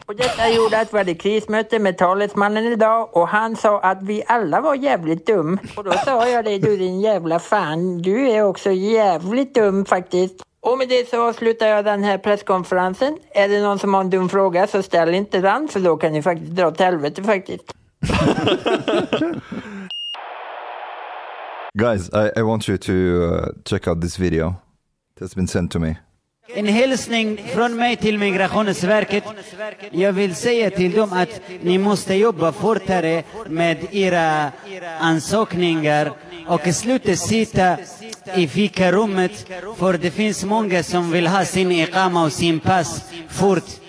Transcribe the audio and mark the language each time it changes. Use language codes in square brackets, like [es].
[sv] Och detta gjorde att vi hade krismöte med talesmannen idag och han sa att vi alla var jävligt dum. Och då sa jag dig, du din jävla fan, du är också jävligt dum faktiskt. Och med det så avslutar jag den här presskonferensen. Är det någon som har en dum fråga så ställ inte den, för då kan ni faktiskt dra till helvete faktiskt. [en] Guys, I want you to check out this video that's been sent to me. [sv] En hälsning från mig till Migrationsverket. Jag vill säga till dem att ni måste jobba fortare med era ansökningar och sluta sitta i fikarummet, för det finns många som vill ha sin iqama och sin pass fort.